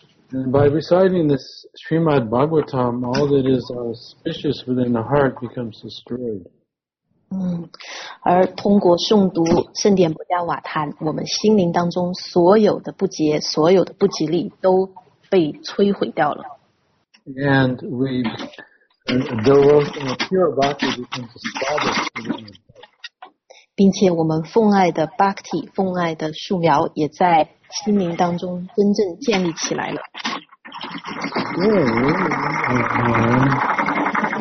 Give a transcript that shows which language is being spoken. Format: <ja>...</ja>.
<en>And by reciting this Srimad Bhagavatam, all that is auspicious within the heart becomes destroyed.</en> <zh>而通过诵读圣典不加瓦坛, 我们心灵当中所有的不洁, 所有的不吉利, 都被摧毁掉了。</zh> <en>And we devote in a pure bhakti becomes established.</en> <zh>并且我们奉爱的bhakti, 奉爱的树苗, 也在心灵当中真正建立起来了。</zh>